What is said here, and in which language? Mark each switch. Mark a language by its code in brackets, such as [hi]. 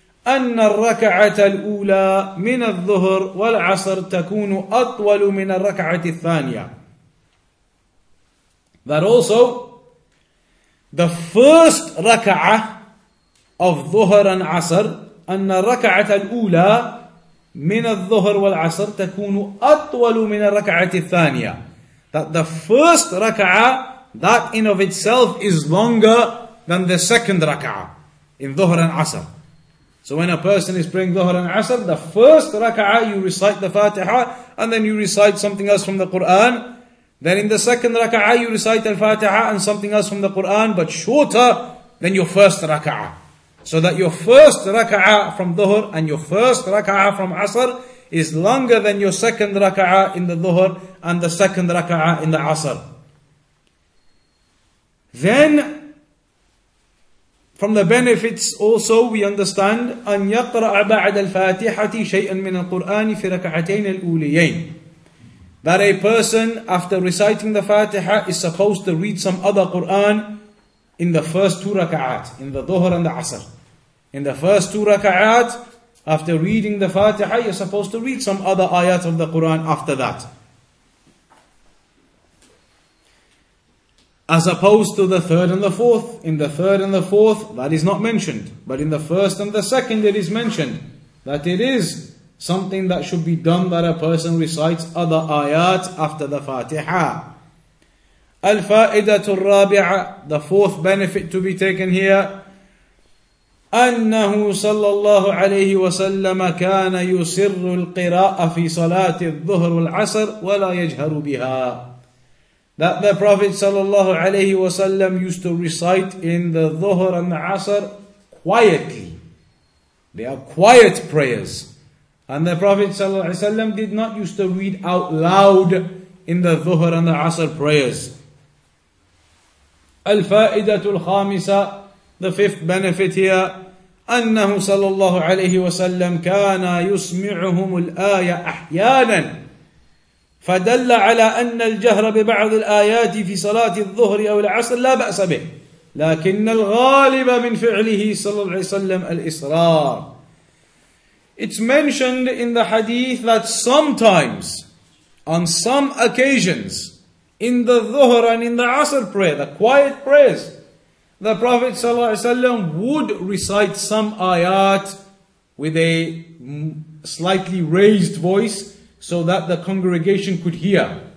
[ar] أن الركعة الأولى من الظهر والعصر تكون أطول من الركعة الثانية. That also, the first rak'ah of dhuhr and asr, أن الركعة الأولى من الظهر والعصر تكون أطول من الركعة الثانية. [en] That the first rak'ah, that in of itself is longer than the second rak'ah in dhuhr and asr. So when a person is praying dhuhr and asr, the first rak'ah you recite the Fatiha, and then you recite something else from the Quran. Then in the second rak'ah you recite al-Fatiha and something else from the Quran, but shorter than your first rak'ah. So that your first rak'ah from dhuhr and your first rak'ah from asr is longer than your second rak'ah in the dhuhr and the second rak'ah in the asr. [ar] Then, from the benefits also, we understand [en] أن يقرأ بعد الفاتحة شيئا من القرآن في ركعتين الأوليين. That a person, after reciting the Fatiha, is supposed to read some other Qur'an in the first two rak'at, in the dhuhr and the asr. In the first two rak'at, after reading the Fatiha, you're supposed to read some other ayat of the Qur'an after that. As opposed to the third and the fourth. In the third and the fourth, that is not mentioned. But in the first and the second, it is mentioned that it is something that should be done, that a person recites other ayat after the Fatiha. [ar] الفائدة الرابعة, the fourth benefit to be taken here, أنه صلى الله عليه وسلم كان يسر القراءة في صلاة الظهر والعصر ولا يجهر بها. [en] That the Prophet sallallahu alayhi wasallam used to recite in the dhuhr and the asr quietly. They are quiet prayers. And the Prophet sallallahu alayhi wasallam did not used to read out loud in the dhuhr and the asr prayers. [ar] Al-fa'idatul khamisa, the fifth benefit here, annahu sallallahu alayhi wasallam kana yusmi'uhum al-aya ahyanan. فدل على أن الجهر ببعض الآيات في صلاة الظهر أو العصر لا بأس به لكن الغالب من فعله صلى الله عليه وسلم الإصرار. [en] It's mentioned in the hadith that sometimes, on some occasions, in the dhuhr and in the asr prayer, the quiet prayers, the Prophet صلى الله عليه وسلم would recite some ayat with a slightly raised voice, so that the congregation could hear.